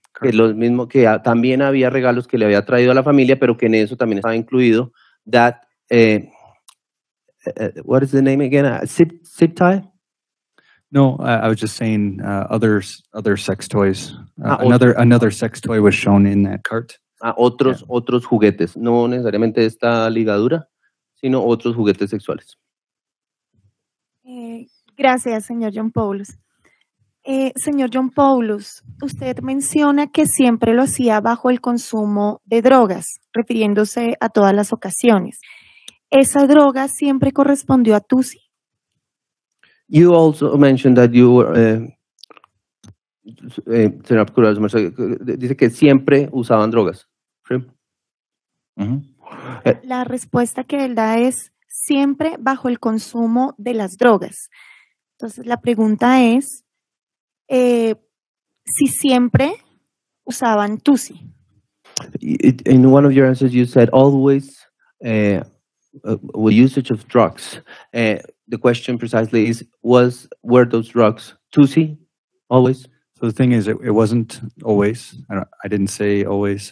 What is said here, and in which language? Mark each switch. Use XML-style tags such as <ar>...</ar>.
<es>Que lo mismo que también había regalos que le había traído a la familia, pero que en eso también estaba incluido</es> <en>that what is the name again? Zip tie? No, I was just saying other sex toys. Another sex toy was shown in that cart.</en> <es>Otros juguetes, no necesariamente esta ligadura, sino otros juguetes sexuales. Gracias, señor John Paulus. Señor John Paulus, usted menciona que siempre lo hacía bajo el consumo de drogas, refiriéndose a todas las ocasiones. ¿Esa droga siempre correspondió a Tusi?</es> <en>You also mentioned that you were,</en> <es>señor Curado, dice que siempre usaban drogas. ¿Sí? Mm-hmm. La respuesta que él da es siempre bajo el consumo de las drogas. Entonces la pregunta es, si siempre usaban Tusi.</es> <en>In one of your answers, you said always with usage of drugs. the question precisely is, were those drugs Tusi always? So the thing is, it wasn't always. I didn't say always.</en>